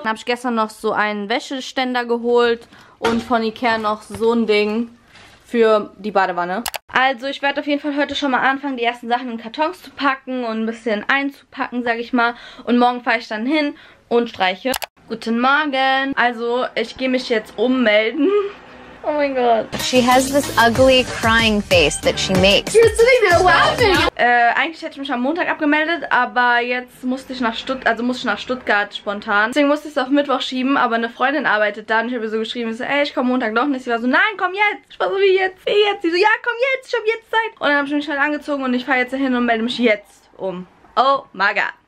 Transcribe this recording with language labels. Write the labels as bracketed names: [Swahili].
[German] Dann habe ich gestern noch so einen Wäscheständer geholt und von Ikea noch so ein Ding für die Badewanne. Also ich werde auf jeden Fall heute schon mal anfangen, die ersten Sachen in Kartons zu packen und ein bisschen einzupacken, sage ich mal. Und morgen fahre ich dann hin und streiche. Guten Morgen. Also ich gehe mich jetzt ummelden. Oh mein Gott. [English] She has this ugly crying face that she makes. You're sitting there laughing. [German] Eigentlich hätte ich mich am Montag abgemeldet, aber jetzt musste ich nach Stuttgart spontan. Deswegen musste ich es auf Mittwoch schieben, aber eine Freundin arbeitet da und ich habe ihr so geschrieben, so, ey, ich komme Montag noch nicht. Sie war so, nein, komm jetzt. Ich war so, wie jetzt? Sie so, ja, komm jetzt, ich habe jetzt Zeit. Und dann habe ich mich halt angezogen und ich fahre jetzt dahin und melde mich jetzt um. [English] Oh my God.